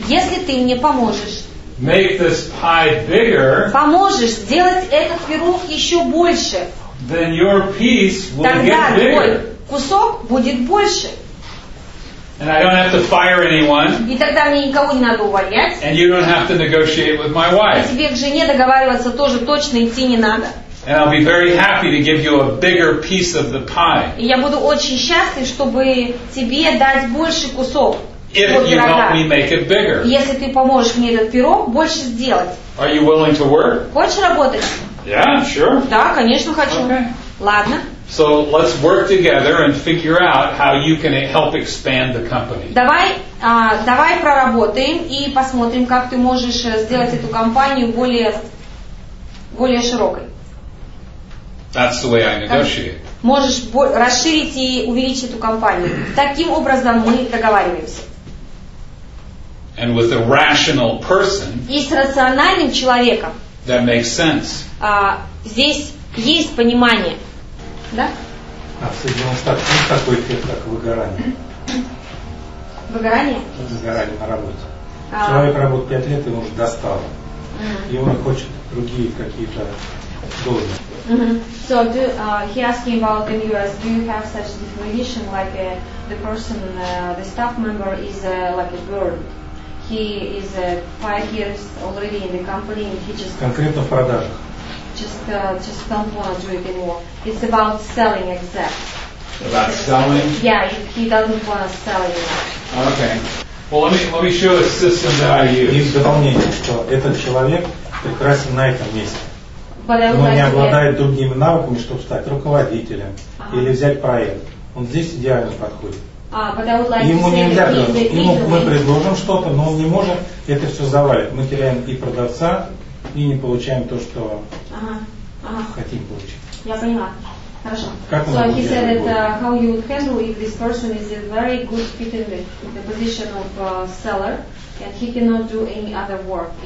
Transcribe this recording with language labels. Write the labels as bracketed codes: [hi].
[ru] Если ты мне поможешь. [en] Make this pie bigger. [ru] Поможешь сделать этот пирог еще больше. [en] Then your piece will get bigger. [ru] Тогда твой кусок будет больше. [en] And I don't have to fire anyone. [ru] И тогда мне никого не надо увольнять. [en] And you don't have to negotiate with my wife. [ru] И тебе к жене договариваться тоже точно идти не надо. [en] And I'll be very happy to give you a bigger piece of the pie. [ru] И я буду очень счастлив, чтобы тебе дать больший кусок. [en] If you help me make it bigger. [ru] Если ты поможешь мне этот пирог больше сделать. [en] Are you willing to work? [ru] Хочешь работать? [en] Yeah, sure. [ru] Да, конечно, хочу. [en] Okay. [ru] Ладно. [en] So let's work together and figure out how you can help expand the company. [ru] Давай проработаем и посмотрим, как ты можешь сделать эту компанию более широкой. [en] That's the way I negotiate. [ru] Можешь расширить и увеличить эту компанию. Таким образом мы договариваемся. [en] And with a rational person. [ru] И с рациональным человеком. [en] That makes sense. [ru] Здесь есть понимание. Да? А в Соединенных Штатах есть такой эффект, как выгорание? Выгорание? Выгорание на работе. Человек работает 5 лет, ему уже достало. И он хочет другие какие-то должности. [en] So, he asking about in US, do you have such definition, like the person, the staff member is like a bird? He is 5 years already in the company, and he just... [ru] Конкретно в продажах. [en] just don't want to do it anymore. It's about selling exec. About selling? Yeah, he doesn't want to sell anymore. Okay. Well, let me show the system that I use. [ru] И в дополнение, что этот человек прекрасен на этом месте. Но не обладает другими навыками, чтобы стать руководителем или взять проект. Он здесь идеально подходит. Ему нельзя говорить. Ему мы предложим что-то, но он не может. Это все завалит. Мы теряем и продавца, и не получаем то, что хотим получить. Я поняла. Хорошо. [en] So he said that how you would handle if this person is a very good fit in the position of seller and he cannot do any other work.